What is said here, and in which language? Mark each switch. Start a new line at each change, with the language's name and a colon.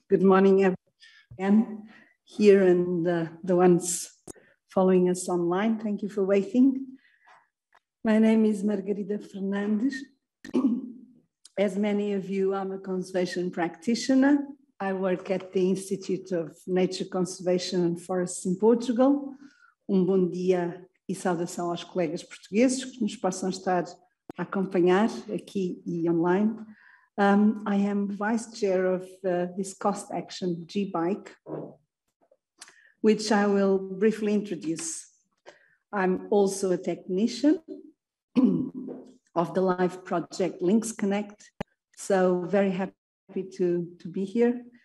English: Good morning, everyone, here and the ones following us online. Thank you for waiting. My name is Margarida Fernandes. As many of you, I'm a conservation practitioner. I work at the Institute of Nature Conservation and Forests in Portugal.
Portuguese: Bom dia e saudação aos colegas portugueses que nos possam estar a acompanhar aqui e online.
English: I am vice chair of this cost action G-Bike, which I will briefly introduce. I'm also a technician of the live project Links Connect, so very happy to be here.